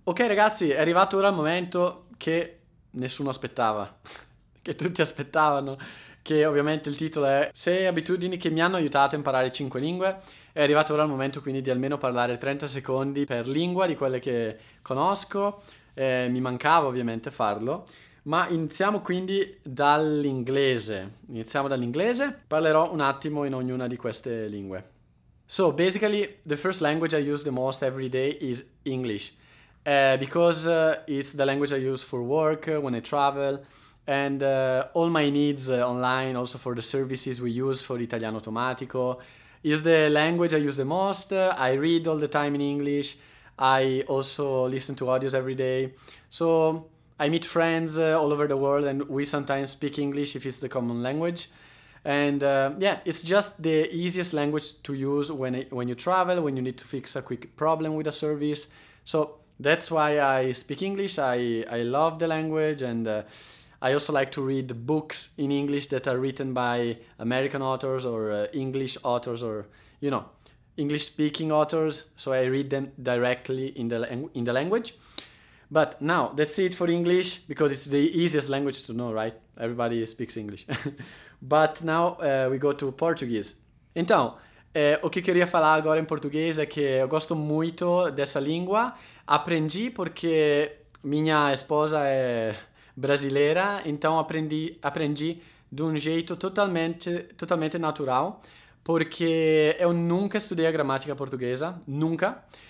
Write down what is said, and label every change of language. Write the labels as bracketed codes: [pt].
[it] Ok, ragazzi, è arrivato ora il momento che nessuno aspettava, che tutti aspettavano, che ovviamente il titolo è Sei abitudini che mi hanno aiutato a imparare 5 lingue. È arrivato ora il momento quindi di almeno parlare 30 secondi per lingua di quelle che conosco. Mi mancava ovviamente farlo, ma iniziamo quindi dall'inglese. Iniziamo dall'inglese, parlerò un attimo in ognuna di queste lingue. [en] So, basically, the first language I use the most every day is English. Because it's the language I use for work when I travel and all my needs online, also for the services we use for Italiano Automatico, is the language I use the most. I read all the time in English. I also listen to audios every day. So I meet friends all over the world and we sometimes speak English if it's the common language. And yeah, it's just the easiest language to use when you travel, when you need to fix a quick problem with a service. So that's why I speak English. I love the language, and I also like to read books in English that are written by American authors or English authors or, you know, English speaking authors. So I read them directly in the language. But now that's it for English because it's the easiest language to know, right? Everybody speaks English. But now we go to Portuguese. [pt] Então, o que queria falar agora em português é que eu gosto muito dessa língua. Aprendi porque minha esposa é brasileira, então aprendi de um jeito totalmente natural, porque eu nunca estudei a gramática portuguesa, nunca.